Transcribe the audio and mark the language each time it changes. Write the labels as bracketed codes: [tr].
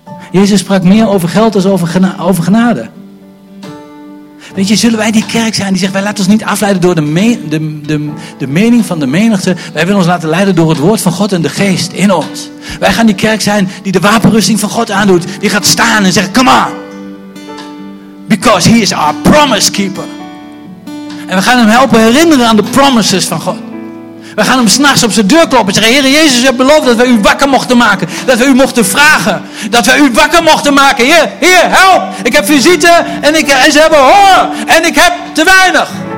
[nl] Jezus sprak meer over geld als over genade. Weet je, zullen wij die kerk zijn die zegt, wij laten ons niet afleiden door de mening van de menigte. Wij willen ons laten leiden door het woord van God en de geest in ons. Wij gaan die kerk zijn die de wapenrusting van God aandoet. Die gaat staan en zegt, [en] come on. Because he is our promise keeper. [nl] En we gaan hem helpen herinneren aan de promises van God. We gaan hem s'nachts op zijn deur kloppen en zeggen, Heere Jezus, u hebt beloofd dat we u wakker mochten maken. Dat we u mochten vragen. Dat we u wakker mochten maken. Heer, heer, help. Ik heb visite en ze hebben honger. En ik heb te weinig.